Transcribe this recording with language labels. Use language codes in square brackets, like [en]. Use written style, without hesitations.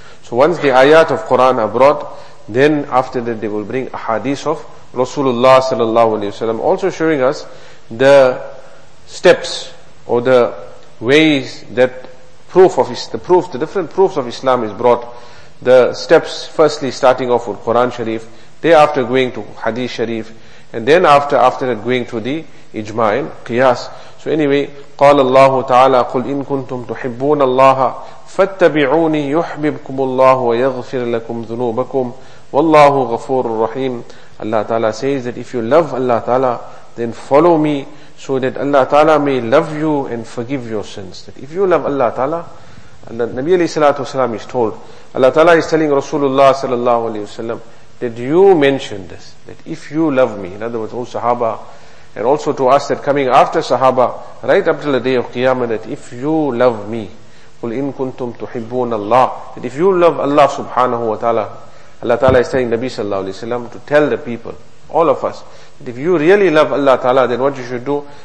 [en] So once the ayat of Quran are brought, then after that they will bring a hadith of Rasulullah sallallahu alayhi wa sallam, also showing us the steps or the ways that the different proofs of Islam is brought. The steps, firstly starting off with Quran Sharif, thereafter going to hadith Sharif, and then after that going to the ijma'in, qiyas. So anyway, [ar] قال الله تعالى قل إن كنتم تحبون الله فاتبعوني يحببكم الله ويغفر لكم ذنوبكم والله غفور رحيم. [en] Allah Ta'ala says that if you love Allah Ta'ala, then follow me so that Allah Ta'ala may love you and forgive your sins. That if you love Allah Ta'ala, Nabi alayhi salatu wasalam is told, Allah Ta'ala is telling Rasulullah sallallahu alayhi wasallam that you mention this, that if you love me, in other words, O Sahaba, and also to us that coming after Sahaba, right up till the day of Qiyamah, that if you love me, [ar] قُلْ إِن كُنْتُمْ تُحِبُّونَ اللَّهِ, [en] that if you love Allah subhanahu wa ta'ala, Allah Ta'ala is telling Nabi sallallahu alayhi wa sallam to tell the people, all of us, that if you really love Allah Ta'ala, then what you should do?